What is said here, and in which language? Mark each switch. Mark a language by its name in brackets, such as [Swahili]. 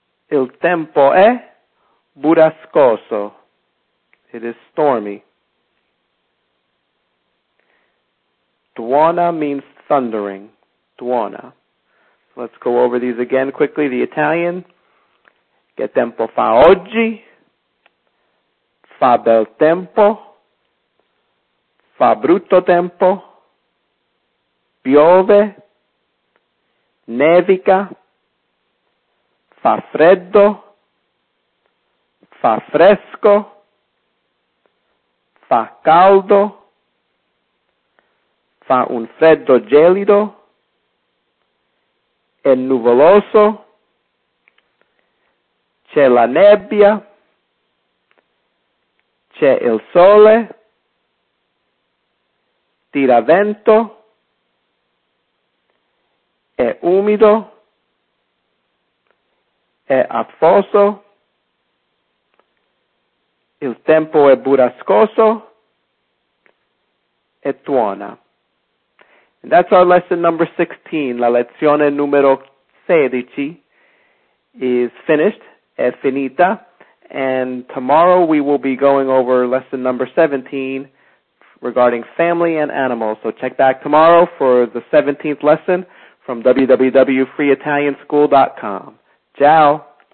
[Italian] Il tempo è burrascoso. [English] It is stormy. Tuona means thundering, tuona. Let's go over these again quickly. The Italian, [Italian] che tempo fa oggi, fa bel tempo, fa brutto tempo, piove, nevica, fa freddo, fa fresco, fa caldo, fa un freddo gelido, è nuvoloso, c'è la nebbia, c'è il sole, tira vento, è umido, è afoso, il tempo è burrascoso, e tuona. [English] That's our lesson number 16. [Italian] La lezione numero 16 [English] is finished, [Italian] è finita. [English] And tomorrow we will be going over lesson number 17 regarding family and animals. So check back tomorrow for the 17th lesson from www.freeitalianschool.com. Ciao!